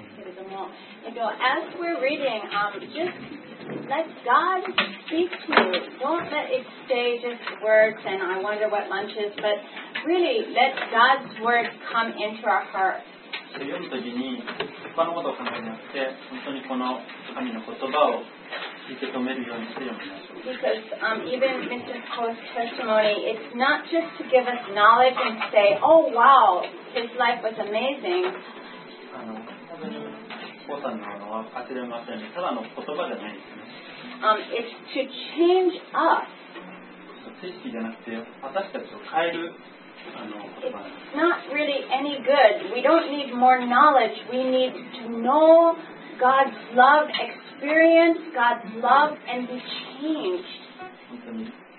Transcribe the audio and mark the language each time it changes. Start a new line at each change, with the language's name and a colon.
English: As we're reading, just let God speak to you. Don't let it stay just words and I wonder what lunch is, but really let God's word come into our hearts.
Japanese: 読むときに他のことを考えなくて本当にこの神の言葉を受け止めるようにして読みましょう。
English: Because even Mrs. Koh's testimony, it's not just to give us knowledge and say, oh wow, his life was amazing.
Japanese: 本当に Koh さんのものは忘れませんね。ただの言葉じゃないですね。
English: It's to change us.
Japanese: 知識じゃなくて私たちを変える
English: It's not really any good. We don't need more knowledge. We need to know God's love, experience God's love, and be changed.